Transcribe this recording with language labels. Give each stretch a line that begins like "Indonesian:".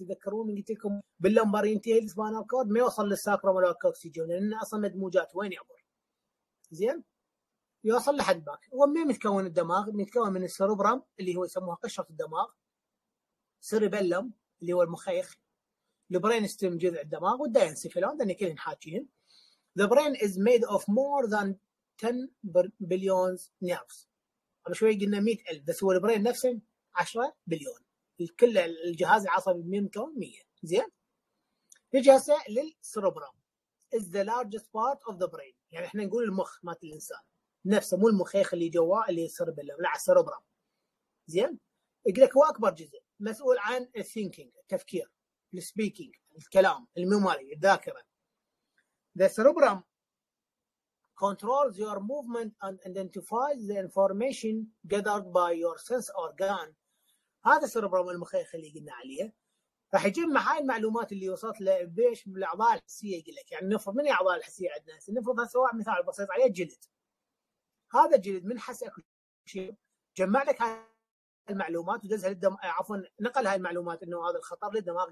Arabic: تذكروني قلت لكم باللمبر ينتهي السبانال كورد، ما يوصل للساكرم ولا الاكسجين، لان اصلا مدموجات وين يعبر؟ زين يوصل لحد باك. هو ما متكون الدماغ، متكون من السيروبرام اللي هو يسموها قشرة الدماغ، سيريبيلم اللي هو المخيخ، البرين ستيم جذع الدماغ، والدينسيفالون ذني كلهم حاجين.
English: The brain is made of more than 10 billion nerves.
Arabic: قبل شوي قلنا 100,000، بس هو البرين نفسه 10 بليون. كل الجهاز العصبي متكون 100. زين نجي هسه للسيروبرام.
English: is the largest part of the brain.
Arabic: يعني احنا نقول المخ مات الانسان نفسه، مو المخيخ اللي جواه اللي يصير بالله، لا السيروبرام. زين يقول لك هو اكبر جزء مسؤول عن الثينكينج، التفكير، السبيكينج، الكلام، الميموري، الذاكره.
English: The cerebrum controls your movement and identifies the information gathered by your sense organ.
Arabic: هذا السيروبرام المخيخ اللي قلنا عليه راح يجمع هاي المعلومات اللي وصلت له بايش؟ بالاعضاء الحسيه. يقول لك يعني نفرض من الاعضاء الحسيه عندنا، نفرض سواء مثال بسيط عليه الجلد. هذا الجلد من حس اكو شيء جمع لك هاي المعلومات ودزها للدماغ، عفوا نقل هاي المعلومات انه هذا الخطر للدماغ.